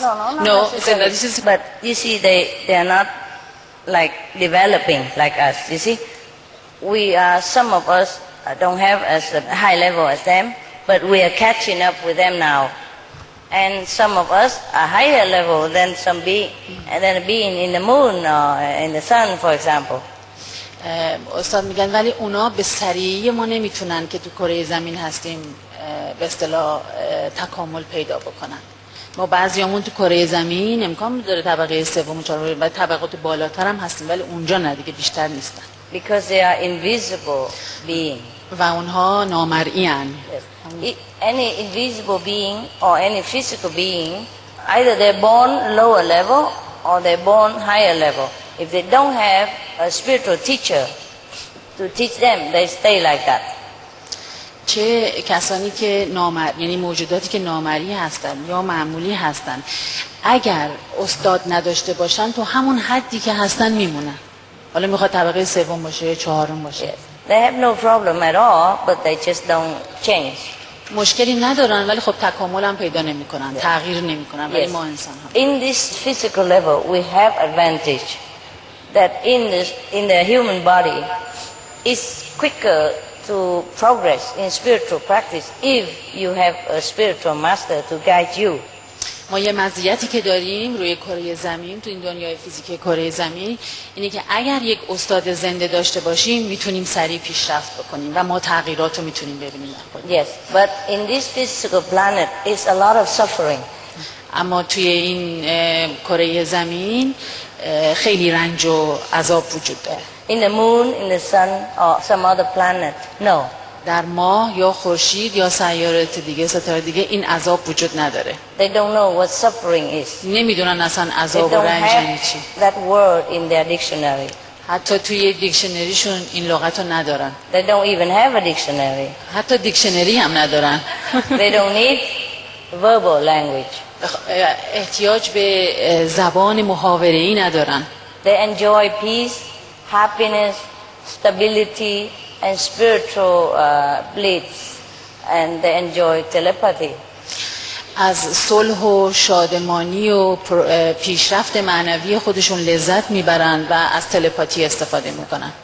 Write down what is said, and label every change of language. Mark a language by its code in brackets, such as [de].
[en] No, this is, but you see, they are not like developing like us. You see, we are, some of us don't have as high level as them, but we are catching up with them now. And some of us are higher level than some being, and then a being in the moon or in the sun, for example. [fa] استاد میگن ولی اونا به سریعی ما نمیتونن که تو کره زمین هستیم به اصطلاح تکامل پیدا بکنن. ما بعضیامون تو کره زمین امکان داره طبقه سوم و چهارم و طبقات بالاتر هم هستیم ولی اونجا نه دیگه بیشتر نیستن. [en] Because they are invisible being. [fa] و اونها نامرئی ان. [en] Any invisible being or any physical being, either they're born lower level or they're born higher level. If they don't have a spiritual teacher to teach them, they stay like that. [fa] چه کسانی که نامرئی، یعنی موجوداتی که نامرئی هستن یا معمولی هستن، اگر استاد نداشته باشن تو همون حدی که هستن میمونن. حالا میخواد طبقه سوم باشه یا چهارم باشه. [en] They have no problem at all, but they just don't change. [fa] مشکلی ندارن ولی خب تکامل هم پیدا نمیکنن، تغییر نمیکنن. ولی ما انسان ها. [en] In this physical level, we have advantage that in the human body is quicker to progress in spiritual practice if you have a spiritual master to guide you. [fa] ما یه مزیتی که داریم روی کره زمین، تو این دنیای فیزیک کره زمین، اینه که اگر یک استاد زنده داشته باشیم میتونیم سریع پیشرفت بکنیم و ما تغییرات رو میتونیم ببینیم. [en] Yes, but in this physical planet is a lot of suffering. [fa] اما توی این کره زمین خیلی رنج و عذاب وجود داره. [en] In the moon, in the sun or some other planet, no. [fa] در ماه یا خورشید یا سیارات دیگه، ستاره دیگه، این عذاب وجود نداره. [en] They don't know what suffering is. [fa] نمیدونن اصلا عذاب و رنج چی. [en] They don't have that word in their dictionary. [fa] حتی توی دیکشنریشون این لغت رو ندارن. [en] They don't even have a dictionary. [fa] حتی دیکشنری هم ندارن. [en] They don't need verbal language. [fa] احتیاج به زبان محاوره‌ای ندارن. [en] They enjoy peace, happiness, stability and spiritual bliss, and they enjoy telepathy. [fa] از صلح و شادمانی و پیشرفت معنوی خودشون لذت میبرن و از تلپاتی استفاده میکنن.